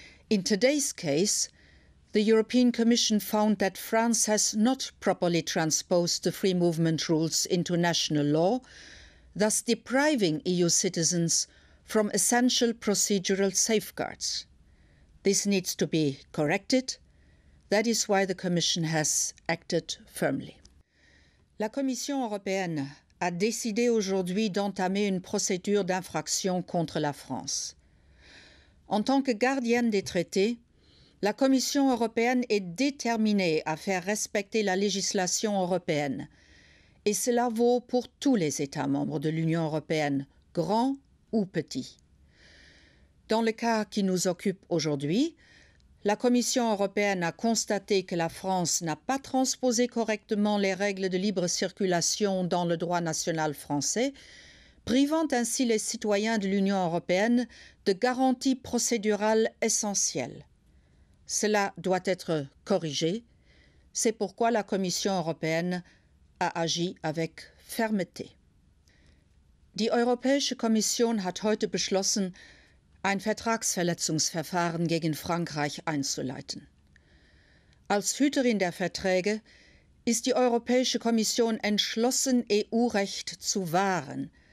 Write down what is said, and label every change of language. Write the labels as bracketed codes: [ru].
[en] In today's case, the European Commission found that France has not properly transposed the free movement rules into national law, thus depriving EU citizens from essential procedural safeguards. This needs to be corrected. That is why the Commission has acted firmly. [fr] La Commission européenne a décidé aujourd'hui d'entamer une procédure d'infraction contre la France. En tant que gardienne des traités, la Commission européenne est déterminée à faire respecter la législation européenne. Et cela vaut pour tous les États membres de l'Union européenne, grands ou petits. Dans le cas qui nous occupe aujourd'hui, la Commission européenne a constaté que la France n'a pas transposé correctement les règles de libre circulation dans le droit national français, privant ainsi les citoyens de l'Union européenne de garanties procédurales essentielles. Cela doit être corrigé. C'est pourquoi la Commission européenne a agi avec fermeté. [de] Die Europäische Kommission hat heute beschlossen, ein Vertragsverletzungsverfahren gegen Frankreich einzuleiten. Als Hüterin der Verträge ist die Europäische Kommission entschlossen, EU-Recht zu wahren.